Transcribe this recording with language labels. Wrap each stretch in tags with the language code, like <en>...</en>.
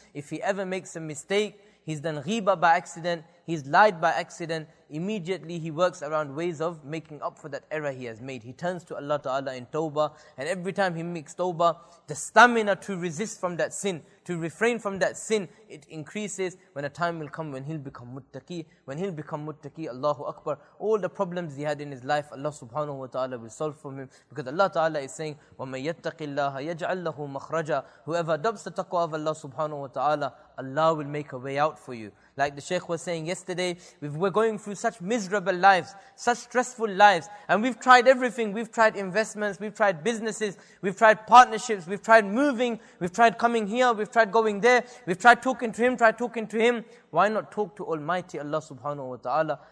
<en>If he ever makes a mistake, he's done ghibah by accident, he's lied by accident, immediately he works around ways of making up for that error he has made. He turns to Allah Ta'ala in tawbah, and every time he makes tawbah, the stamina to resist from that sin, to refrain from that sin, it increases. When a time will come when he'll become muttaqi, Allahu Akbar, all the problems he had in his life, Allah Subhanahu Wa Ta'ala will solve for him. Because Allah Ta'ala is saying,</en> <ar>وَمَن يَتَّقِ اللَّهَ يَجْعَلْ لَهُ مَخْرَجًا.</ar> <en>Whoever adopts the taqwa of Allah Subhanahu Wa Ta'ala, Allah will make a way out for you. Like the Shaykh was saying yesterday, we're going through such miserable lives, such stressful lives, and we've tried everything. We've tried investments, we've tried businesses, we've tried partnerships, we've tried moving, we've tried coming here, we've tried going there, we've tried talking to him, Why not talk to Almighty Allah subhanahu wa ta'ala?</en>